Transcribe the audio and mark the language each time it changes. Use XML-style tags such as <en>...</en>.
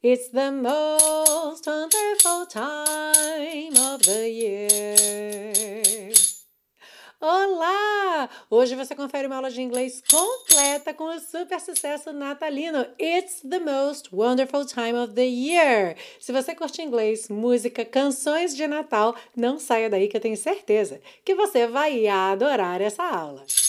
<en>It's the most wonderful time of the year.</en> <pt>Olá! Hoje você confere uma aula de inglês completa com o super sucesso natalino.</pt> <en>It's the most wonderful time of the year.</en> <pt>Se você curte inglês, música, canções de Natal, não saia daí que eu tenho certeza que você vai adorar essa aula.</pt>